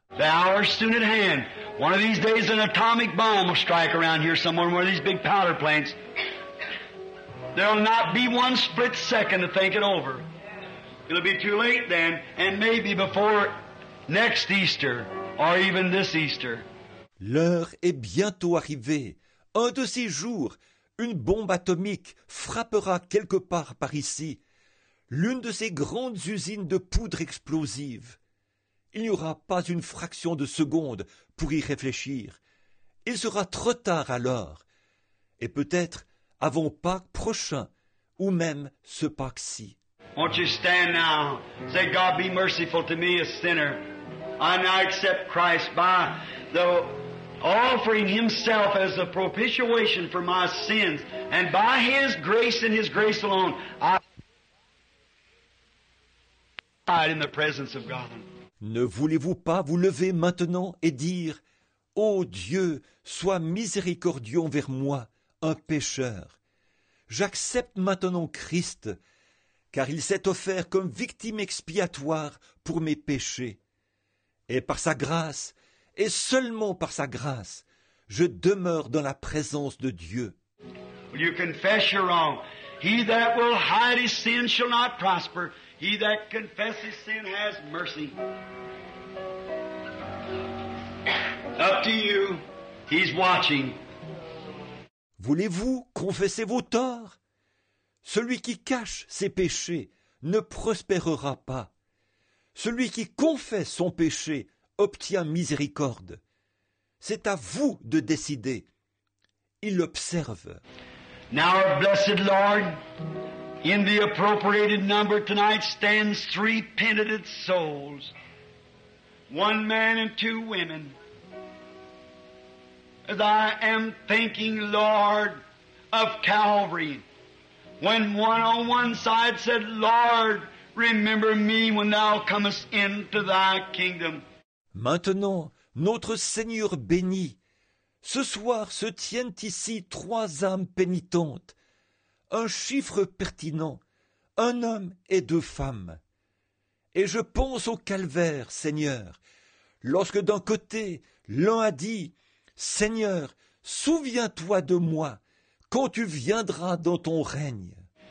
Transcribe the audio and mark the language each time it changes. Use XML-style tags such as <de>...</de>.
<en>The hour is soon at hand. One of these days an atomic bomb will strike around here somewhere in one of these big powder plants. There will not be one split second to think it over. It'll be too late then, and maybe before next Easter, or even this Easter.</en> <fr>L'heure est bientôt arrivée. Un de ces jours, une bombe atomique frappera quelque part par ici. L'une de ces grandes usines de poudre explosive. Il n'y aura pas une fraction de seconde pour y réfléchir. Il sera trop tard alors. Et peut-être avant Pâques prochain, ou même ce Pâques-ci.</fr> <en>Won't you stand now? Say, God be merciful to me, a sinner. I now accept Christ by the offering himself as the propitiation for my sins. And by his grace and his grace alone, I in the presence of God.</en> <fr>Ne voulez-vous pas vous lever maintenant et dire, « Ô Dieu, sois miséricordieux envers moi, un pécheur. J'accepte maintenant Christ, car il s'est offert comme victime expiatoire pour mes péchés. Et par sa grâce, et seulement par sa grâce, je demeure dans la présence de Dieu. »</fr> <en>You confess your wrong. He that will hide his sin shall not prosper. He that confesses sin has mercy. Up to you. He's watching.</en> <fr>Voulez-vous confesser vos torts? Celui qui cache ses péchés ne prospérera pas. Celui qui confesse son péché obtient miséricorde. C'est à vous de décider. Il observe.</fr> <en>Now, blessed Lord, in the appropriated number tonight stands three penitent souls, one man and two women. As I am thinking, Lord, of Calvary, when one on one side said, Lord, remember me when thou comest into thy kingdom.</en> <fr>Maintenant, notre Seigneur béni, ce soir se tiennent ici trois âmes pénitentes. Un chiffre pertinent, un homme et deux femmes. Et je pense au calvaire, Seigneur, lorsque d'un côté, l'un a dit, « Seigneur, souviens-toi de moi quand tu viendras dans ton règne. »</fr>